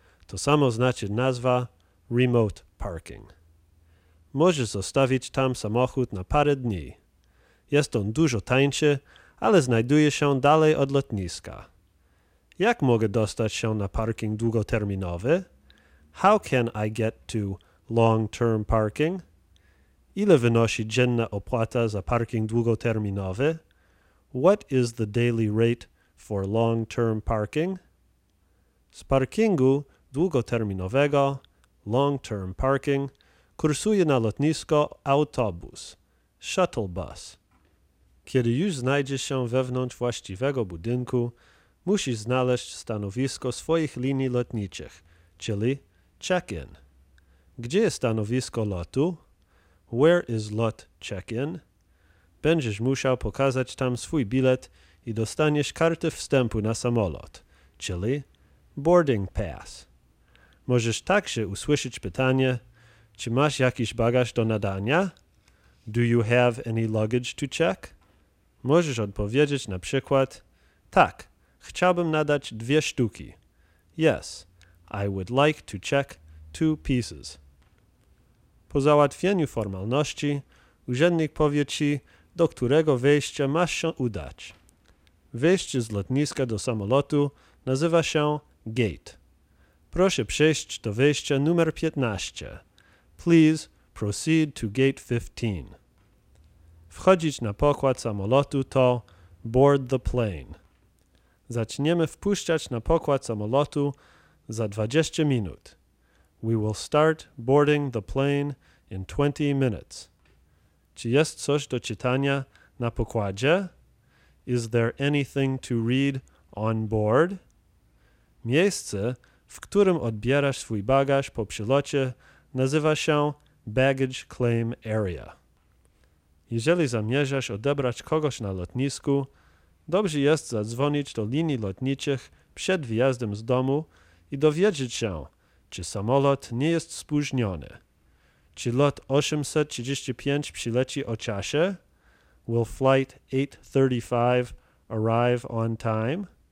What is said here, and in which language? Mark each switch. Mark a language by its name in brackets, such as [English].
[Polish] To samo znaczy nazwa remote parking. Możesz zostawić tam samochód na parę dni. Jest on dużo tańszy, ale znajduje się dalej od lotniska. Jak mogę dostać się na parking długoterminowy? [English] How can I get to long-term parking? [Polish] Ile wynosi dzienna opłata za parking długoterminowy? [English] What is the daily rate for long-term parking? [Polish] Z parkingu długoterminowego, long-term parking, kursuje na lotnisko autobus, shuttle bus. Kiedy już znajdziesz się wewnątrz właściwego budynku, musisz znaleźć stanowisko swoich linii lotniczych, czyli check-in. Gdzie jest stanowisko lotu? [English] Where is lot check-in? [Polish] Będziesz musiał pokazać tam swój bilet i dostaniesz kartę wstępu na samolot, czyli boarding pass. Możesz także usłyszeć pytanie, czy masz jakiś bagaż do nadania? [English] Do you have any luggage to check? [Polish] Możesz odpowiedzieć na przykład, tak. Chciałbym nadać dwie sztuki. [English] Yes, I would like to check two pieces. [Polish] Po załatwieniu formalności, urzędnik powie ci, do którego wejścia masz się udać. Wejście z lotniska do samolotu nazywa się gate. Proszę przejść do wejścia numer 15. [English] Please proceed to gate 15. [Polish] Wchodzić na pokład samolotu to [English] board the plane. [Polish] Zaczniemy wpuszczać na pokład samolotu za 20 minut. [English] We will start boarding the plane in 20 minutes. [Polish] Czy jest coś do czytania na pokładzie? [English] Is there anything to read on board? [Polish] Miejsce, w którym odbierasz swój bagaż po przylocie, nazywa się baggage claim area. Jeżeli zamierzasz odebrać kogoś na lotnisku, dobrze jest zadzwonić do linii lotniczych przed wyjazdem z domu i dowiedzieć się, czy samolot nie jest spóźniony. Czy lot 835 przyleci o czasie? [English] Will flight 835 arrive on time?